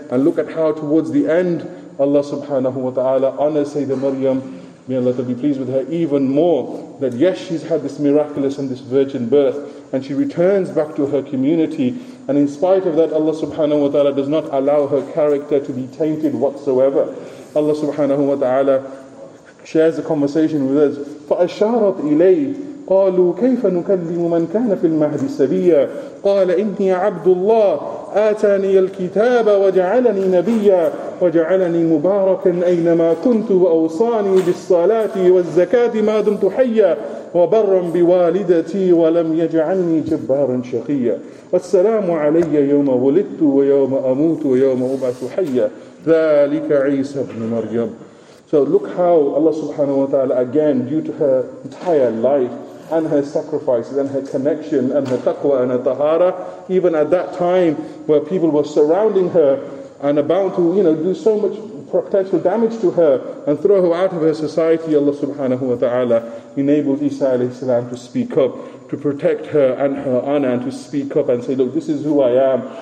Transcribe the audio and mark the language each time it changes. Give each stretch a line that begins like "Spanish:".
English: And look at how towards the end, Allah subhanahu wa ta'ala honors Sayyidah Maryam, may Allah be pleased with her, even more, that yes, she's had this miraculous and this virgin birth, and she returns back to her community, and in spite of that, Allah subhanahu wa ta'ala does not allow her character to be tainted whatsoever. Allah subhanahu wa ta'ala shares a conversation with us,
Arabic: فَأَشَارَتْ إِلَيْهِ قَالُوا كَيْفَ نُكَلِّمُ مَنْ كَانَ فِي الْمَهْدِ سَبِيًّا قَالَ إِنِّي عَبْدُ اللَّهِ آتَانِيَ الْكِتَابَ وَجَعَلَنِي نَبِيًّا وَجَعَلَنِي مُبَارَكًا أَيْنَمَا كُنْتُ وَأَوْصَانِي بِالصَّلَاةِ وَالزَّكَاةِ مَا دُمْتُ حَيًّا وَبَرًّا بِوَالِدَتِي وَلَمْ يَجْعَلْنِي جَبَّارًا شَقِيًّا وَالسَّلَامُ عَلَيَّ يَوْمَ وُلِدْتُ وَيَوْمَ أَمُوتُ وَيَوْمَ أُبْعَثُ حَيًّا ذَلِكَ عِيسَى ابْنُ مَرْيَمَ.
English: So look how Allah subhanahu wa ta'ala, again, due to her entire life and her sacrifices and her connection and her taqwa and her tahara, even at that time where people were surrounding her and about to, you know, do so much potential damage to her and throw her out of her society, Allah subhanahu wa ta'ala enabled Isa alayhi salam to speak up, to protect her and her honor, and to speak up and say, look, this is who I am.